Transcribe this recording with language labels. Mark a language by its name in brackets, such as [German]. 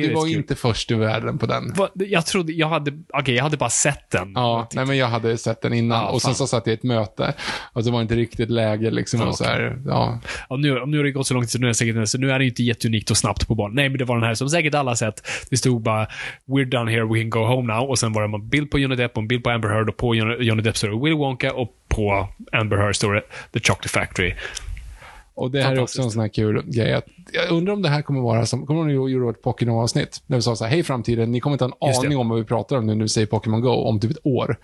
[Swedish] Ja, men du var inte först i världen på den. Jag trodde, jag hade bara sett den. Ja, nej, men jag hade sett den innan. Ja, och sen så satt jag i ett möte. Och det var inte riktigt läge liksom. Ja, och så här, ja. Ja, nu har det gått så långt, så nu är det inte jätteunikt och snabbt på barn. Nej, men det var den här som säkert alla sett. Det stod bara, [English] we're done here, we can go home now. [Swedish] Och sen var det en bild på Johnny Depp och en bild på Amber Heard. Och på Johnny Depp står det Willy Wonka, och på Amber Heard står det The Chocolate Factory. Och det här är också en sån här kul grej. Jag undrar om det här kommer vara som, kommer ni att göra ett Pokémon-avsnitt? När vi sa så här, hej framtiden, ni kommer inte ha en aning om vad vi pratar om nu när vi säger Pokémon Go om typ ett år.